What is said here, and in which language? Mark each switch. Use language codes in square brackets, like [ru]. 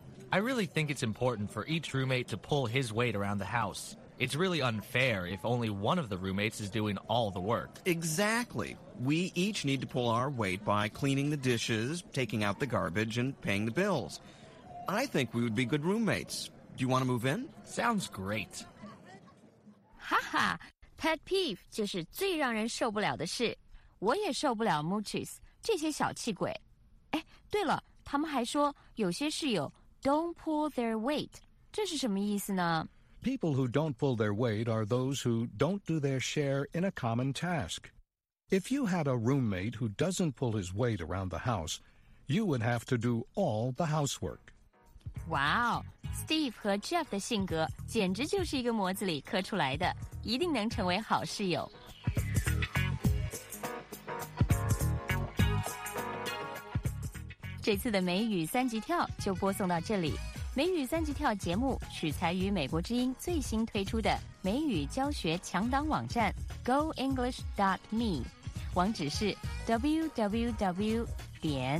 [en] I really think it's important for each roommate to pull his weight around the house. It's really unfair if only one of the roommates is doing all the work. Exactly. We each need to pull our weight by cleaning the dishes, taking out the garbage, and paying the bills. I think we would be good roommates. Do you want to move in? Sounds great. Ha ha! [zh] Pet peeve 就是最让人受不了的事。我也受不了 mooches, 这些小气鬼。哎，对了，他们还说有些室友 don't pull their weight, 这是什么意思呢? [en] People who don't pull their weight are those who don't do their share in a common task. If you had a roommate who doesn't pull his weight around the house, you would have to do all the housework. [zh] Wow, Steve 和 Jeff 的性格简直就是一个模子里刻出来的。一定能成为好室友。这次的美语三级跳就播送到这里。美语三级跳节目取材于美国之音最新推出的美语教学强档网站 goenglish.me， 网址是 www. 点